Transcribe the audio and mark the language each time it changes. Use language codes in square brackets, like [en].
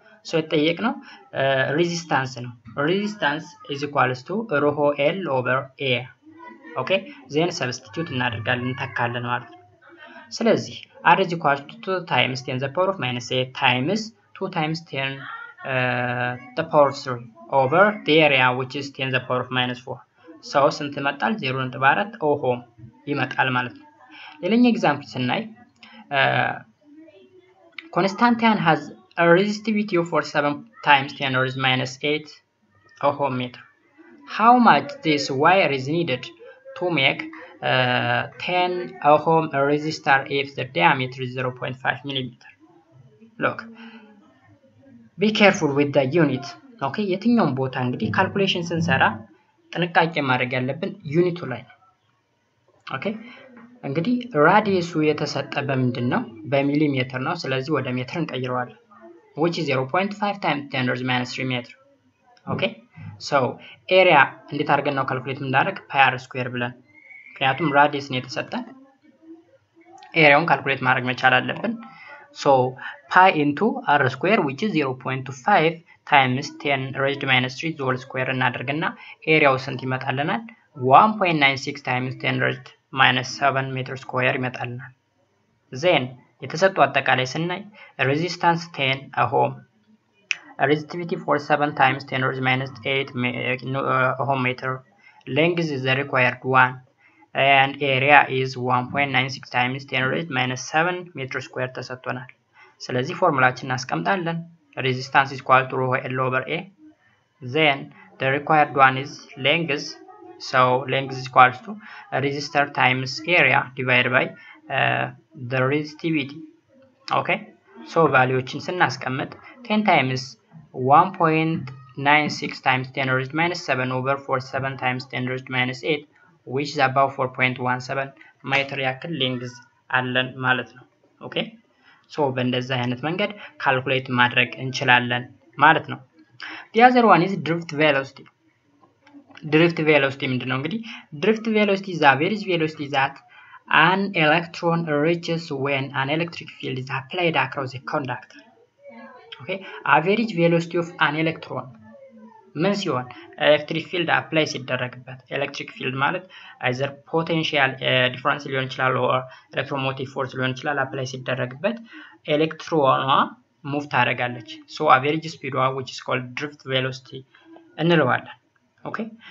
[en] So [am] የጠየቅነው resistance ነው. [en] Resistance is equals to rho L over A. Okay? [am] Then substitute እናደርጋለን እንተካለን ማለት ነው. [en] ስለዚህ R is equals to 2 times 10 to the power of minus 8 times 2 times 10 the power of 3 over the area which is 10 to the power of minus 4. [am] So ስንት ይመጣል? 0.4 ኦሆም ይመጣል ማለት ነው። ሌላኛው ኤግዛምፕል ስናይ [en] Constantine has a resistivity of 7 times 10 to the minus 8 ohm meter. How much this wire is needed to make 10 ohm resistor if the diameter is 0.5 millimeter? Look. Be careful with the unit. [am] Okay, የትኛውን ቦታ እንግዲህ ካልኩሌሽን ስንሰራ ጥንቃቄ ማድረግ ያለብን ዩኒቱ ላይ ነው። [en] Okay? [am] እንግዲህ ራዲየሱ የተሰጠ በሚንድነው በሚሊሜትር ነው። ስለዚህ ወደ ሜትር እንቀይረዋል። [en] Which is 0.5 times 10 to the minus 3 meter. Okay? [am] So, area እንዴት አድርገን ነው ካልኩሌት እንዳደረግ pi r square ብለን ምክንያቱም ራዲየስ ነው የተሰጠ ኤሪያውን ካልኩሌት ማድረግ መቻል አለብን። So, pi into r square which is 0.25 times 10 raised minus 3 joule square እናደርግና ኤሪያው ስንት ይመጣልናል? [en] 1.96 times 10 raised minus 7 meter square [am] ይመጣልናል። Then, የተሰጠው አጠቃላይ ስናይ [en] resistance 10 ohm, resistivity for 7 times 10 raised minus 8 ohm meter, length is the required one, and area is 1.96 times 10 raised minus 7 meter square [am] ተሰጥቶናል። ስለዚህ ፎርሙላችንን አስቀምጣለን። [en] Resistance is equal to rho L over A. Then the required one is length. So length is equal to resistor times area divided by the resistivity. Okay? So value-ችን ስናስቀምጥ 10 times 1.96 times 10 raised minus 7 over 47 times 10 raised minus 8 which is about 4.17 meter [am] ያክል length አለን ማለት ነው። [en] Okay? [am] So በእንደዛ አይነት መንገድ ካልኩሌት ማድረግ እንችላለን ማለት ነው። [en] The other one is drift velocity. Drift velocity [am] ምንድነው እንግዲህ? [en] Drift velocity is average velocity that an electron reaches when an electric field is applied across a conductor. Okay? [am] Average velocity of an electron ምን ሲሆን electric field apply ሲደረግበት electric field ማለት either potential difference ሊሆን ይችላል or electromotive force ሊሆን ይችላል apply ሲደረግበት ኤሌክትሮኗ ሙቭ ታደርጋለች። So average speed which is called drift velocity እንለዋለን። [en] Okay?